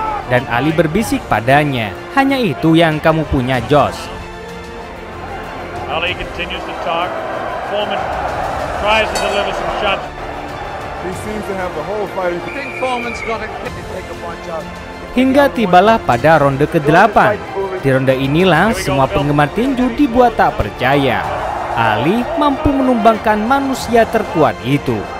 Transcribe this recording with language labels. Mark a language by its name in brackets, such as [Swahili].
[Indonesian] Dan Ali berbisik padanya, "Hanya itu yang kamu punya, Josh." [English] Ali continues to talk. Foreman tries to deliver some shots. He seems to have the whole fight. I think Foreman's got to take a punch out. [Indonesian] Hingga tibalah pada ronde ke-8. Di ronde inilah semua penggemar tinju dibuat tak percaya. Ali mampu menumbangkan manusia terkuat itu.